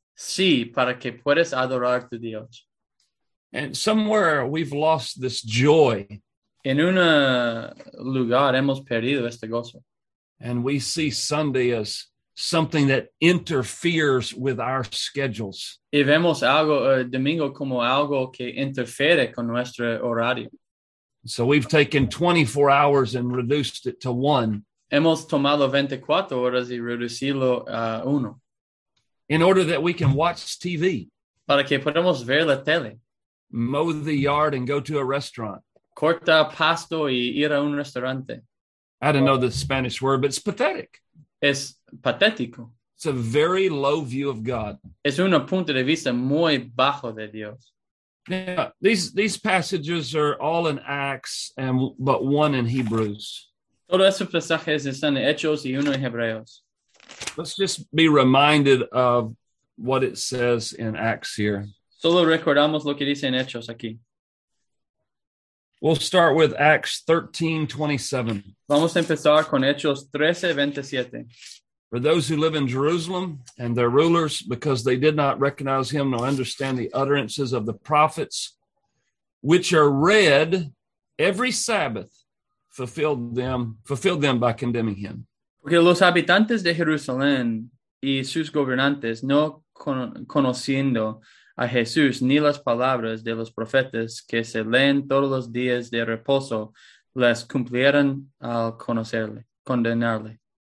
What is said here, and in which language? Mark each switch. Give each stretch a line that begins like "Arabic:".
Spanish: Sí, para que puedas adorar tu Dios.
English: And somewhere we've lost this joy.
Spanish: En un lugar hemos perdido este gozo.
English: And we see Sunday as something that interferes with our schedules.
Spanish: Y vemos algo, domingo como algo que interfere con nuestro horario.
English: So we've taken 24 hours and reduced it to one.
Spanish: Hemos tomado 24 horas y reducirlo a uno.
English: In order that we can watch TV.
Spanish: Para que podamos ver la tele.
English: Mow the yard and go to a restaurant.
Spanish: Corta pasto y ir a un restaurante.
English: I don't know the Spanish word, but it's pathetic.
Spanish: Es patético.
English: It's a very low view of God.
Spanish: Es un punto de vista muy bajo de Dios.
English: Yeah, these passages are all in Acts, and but one in Hebrews.
Spanish: Todos esos pasajes están en Hechos y uno en Hebreos.
English: Let's just be reminded of what it says in Acts here.
Spanish: Solo recordamos lo que dice en Hechos aquí.
English: We'll start with Acts 13:27.
Spanish: Vamos a empezar con Hechos 13:27.
English: For those who live in Jerusalem and their rulers, because they did not recognize him nor understand the utterances of the prophets, which are read every Sabbath, fulfilled them by condemning him.
Spanish: Porque los habitantes de Jerusalén y sus gobernantes, no conociendo a Jesús ni las palabras de los profetas que se leen todos los días de reposo, les cumplieron al conocerle, condenarle.